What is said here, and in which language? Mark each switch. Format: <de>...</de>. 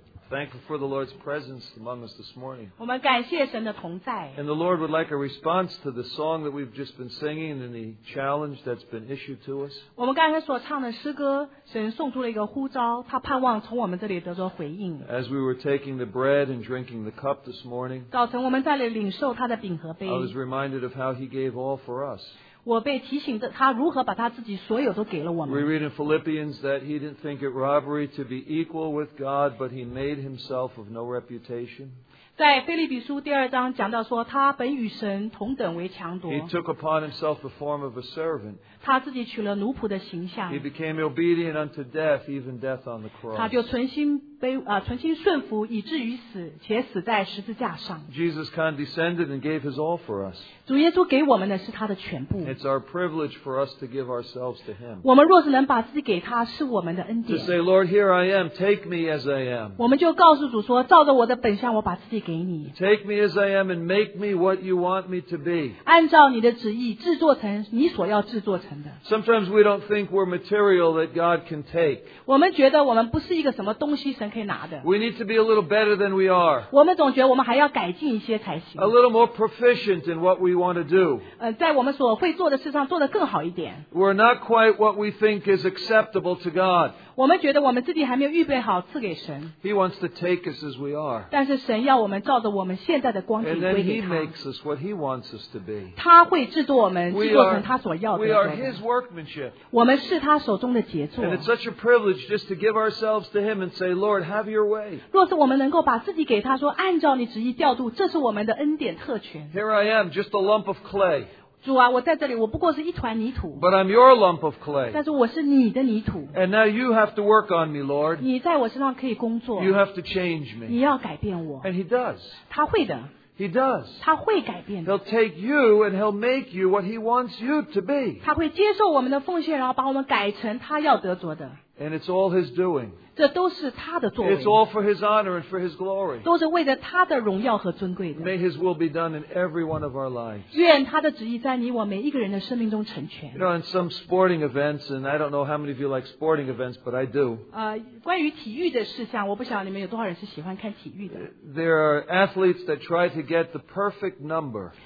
<en>Thankful for the Lord's presence among us this morning.</en> <zh>我们感谢神的同在。</zh> <en>And the Lord would like a response to the song that we've just been singing and the challenge that's been issued to us.</en> <zh>我们刚才所唱的诗歌，神送出了一个呼召，他盼望从我们这里得到回应。</zh> <en>As we were taking the bread and drinking the cup this morning,</en> <zh>早晨我们在里领受他的饼和杯。</zh> <en>I was reminded of how he gave all for us.</en> <zh>我被提醒的他如何把他自己所有都给了我们。</zh> <en>We read in Philippians that he didn't think it robbery to be equal with God, but he made himself of no reputation.</en> <zh>在腓立比书第二章讲到说，他本与神同等为强夺。</zh> <en>He took upon himself the form of a servant.</en> <zh>他自己取了奴仆的形象。</zh> <en>He became obedient unto death, even death on the cross.</en> <zh>他就存心顺服，以至于死，且死在十字架上。</zh> <en>Jesus condescended and gave his all for us.</en> <zh>主耶稣给我们的是他的全部。</zh> <en>It's our privilege for us to give ourselves to Him.</en> <zh>我们若是能把自己给他，是我们的恩典。</zh> <en>To say, Lord, here I am, take me as I am.</en> <zh>我们就告诉主说，照着我的本相，我把自己给你。</zh> <en>Take me as I am and make me what you want me to be.</en> <zh>按照你的旨意，制作成你所要制作成的。</zh> <en>Sometimes we don't think we're material that God can take.</en> <zh>我们觉得我们不是一个什么东西神可以拿的。</zh> <en>We need to be a little better than we are.</en> <zh>我们总觉得我们还要改进一些才行。</zh> <en>A little more proficient in what we want to do.</en> <zh>在我们所会做的事上做得更好一点。</zh> <en>We're not quite what we think is acceptable to God.</en> <zh>我们觉得我们自己还没有预备好赐给神。</zh> <en>He wants to take us as we are.</en> <zh>但是神要我们照着我们现在的光景归给他。</zh> <en>And then He makes us what He wants us to be.</en> <zh>他会制作我们，制作成他所要的。</zh> <en>We are His workmanship.</en> <zh>我们是他手中的杰作。</zh> <en>And it's such a privilege just to give ourselves to Him and say, Lord, have Your way.</en> <zh>若是我们能够把自己给他说，按照你旨意调度，这是我们的恩典特权。</zh> <en>Here I am, just a lump of clay.</en> <zh>主啊，我在这里，我不过是一团泥土。</zh> <en>But I'm your lump of clay.</en> <zh>但是我是你的泥土。</zh> <en>And now you have to work on me, Lord.</en> <zh>你在我身上可以工作。</zh> <en>You have to change me.</en> <zh>你要改变我。</zh> <en>And he does.</en> <zh>他会的。</zh> <en>He does.</en> <zh>他会改变的。</zh> <en>He'll take you and he'll make you what he wants you to be.</en> <zh>他会接受我们的奉献，然后把我们改成他要得着的。</zh> <en>And it's all his doing.</en> <zh>这都是他的作为。</zh> <en>It's all for his honor and for his glory.</en> <zh>都是为了他的荣耀和尊贵的。</zh> <en>May his will be done in every one of our lives.</en> <zh>愿他的旨意在你我每一个人的生命中成全。</zh> <en>You know, in some sporting events, and I don't know how many of you like sporting events, but I do.</en> <zh>关于体育的事项，我不晓得你们有多少人是喜欢看体育的。</zh> <en>There are athletes that try to get the perfect number.</en>